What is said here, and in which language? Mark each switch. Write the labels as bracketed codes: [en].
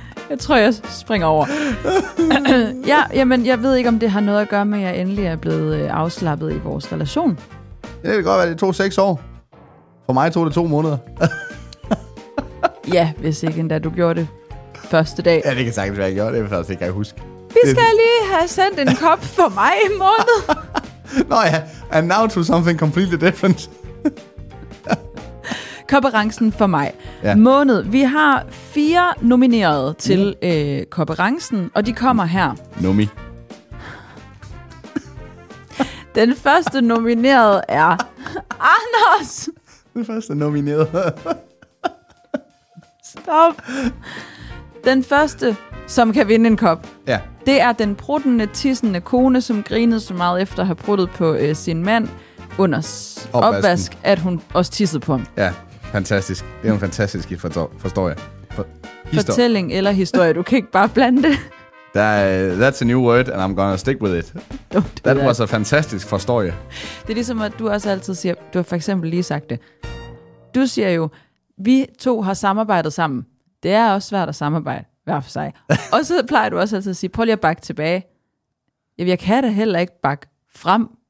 [da] Jeg tror, jeg springer over. Ja, jamen, jeg ved ikke, om det har noget at gøre med, at jeg endelig er blevet afslappet i vores relation. Ja, det kan godt være, det tog 6 år. For mig tog det 2 måneder. Ja, hvis ikke endda du gjorde det. Første dag. Ja, det kan sagtens være, jeg gjorde. Det vil jeg faktisk ikke engang huske. Vi skal lige have sendt en kop for mig i måned. Nå ja, [en] and now to something completely different. [da] Konkurrencen for maj måned. Vi har 4 nominerede til konkurrencen, og de kommer her. Nomi. Den første nomineret er Anders. Den første nomineret. Stop. Den første, som kan vinde en kop, det er den pruttende, tissende kone, som grinede så meget efter at have pruttet på sin mand under opvask, at hun også tissede på ham. Ja, fantastisk. Det er en fantastisk forstår jeg. Fortælling eller historie, du kan ikke bare blande det. [en] That's a new word, and I'm gonna stick with it. That was a [da] fantastisk forstørje. Det er ligesom, at du også altid siger, du har for eksempel lige sagt det. Du siger jo, vi to har samarbejdet sammen. Det er også svært at samarbejde, hver for sig. Og så plejer du også altid at sige, prøv lige at bakke tilbage. Jamen, jeg kan da heller ikke bakke frem.